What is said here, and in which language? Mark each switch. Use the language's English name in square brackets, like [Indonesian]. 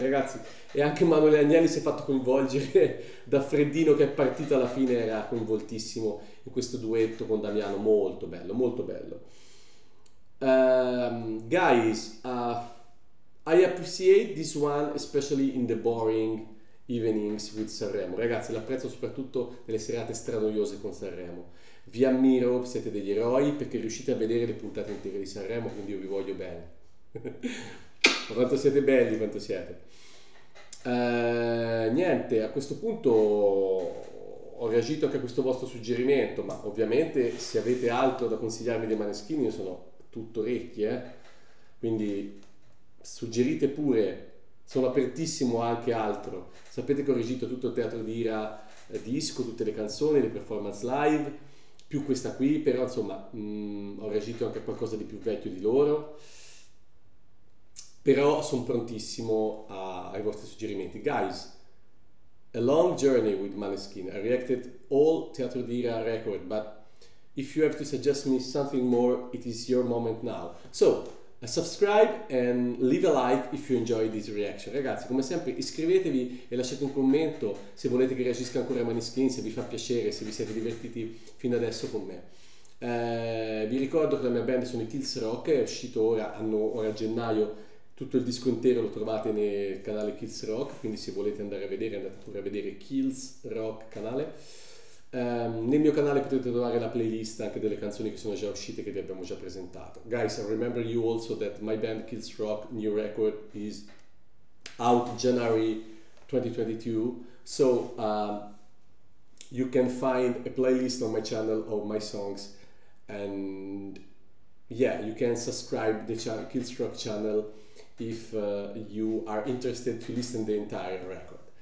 [Italian] Ragazzi, e anche Manuel Agnelli si è fatto coinvolgere da Freddino, che è partito alla fine, era coinvoltissimo in questo duetto con Damiano. Molto bello, molto bello. [English] Guys, I appreciate this one, especially in the boring evenings with Sanremo. [Italian] Ragazzi, l'apprezzo soprattutto nelle serate stranoiose con Sanremo. Vi ammiro, siete degli eroi, perché riuscite a vedere le puntate intere di Sanremo, quindi io vi voglio bene. Quanto siete belli, quanto siete. Niente, a questo punto ho reagito anche a questo vostro suggerimento, ma ovviamente se avete altro da consigliarmi dei Maneskin, io sono tutto orecchi, eh? Quindi suggerite pure. Sono apertissimo anche altro. Sapete che ho regito tutto il Teatro di Ira disco, tutte le canzoni, le performance live, più questa qui, però insomma ho regito anche qualcosa di più vecchio di loro. Però sono prontissimo ai vostri suggerimenti. [English] Guys, a long journey with Maneskin. I reacted all Teatro di Ira record, but if you have to suggest me something more, it is your moment now. So, subscribe and leave a like if you enjoy this reaction. [Italian] Ragazzi, come sempre, iscrivetevi e lasciate un commento se volete che reagisca ancora a Maneskin, se vi fa piacere, se vi siete divertiti fino adesso con me. Vi ricordo che la mia band sono i Kills Rock, è uscito ora a gennaio, tutto il disco intero lo trovate nel canale Kills Rock, quindi se volete andare a vedere, andate pure a vedere Kills Rock canale. Nel mio canale potete trovare la playlist anche delle canzoni che sono già uscite, che vi abbiamo già presentato. [English] Guys, I remember you also that my band Kills Rock new record is out January 2022, so you can find a playlist on my channel of my songs, and yeah, you can subscribe the Kills Rock channel if you are interested to listen the entire record.